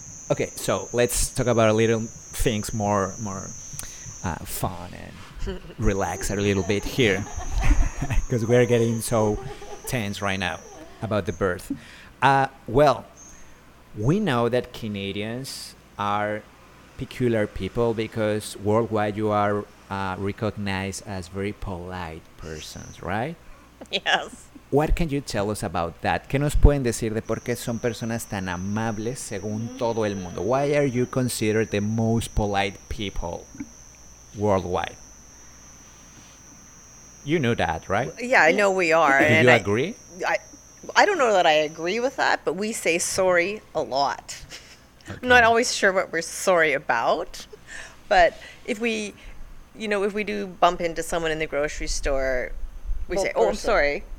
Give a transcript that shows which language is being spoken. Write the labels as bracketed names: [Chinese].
[English] Okay, so let's talk about a little things more fun and relax a little bit here, because we're getting so tense right now about the birth. Well, we know that Canadians are peculiar people because worldwide you are recognized as very polite persons, right? Yes. What can you tell us about that? [Spanish] ¿Qué nos pueden decir de por qué son personas tan amables según todo el mundo? [English] Why are you considered the most polite people worldwide? You know that, right? Yeah, I know we are. Do you agree? I don't know that I agree with that, but we say sorry a lot. Okay. I'm not always sure what we're sorry about, but if we do bump into someone in the grocery store, we say, oh, I'm sorry.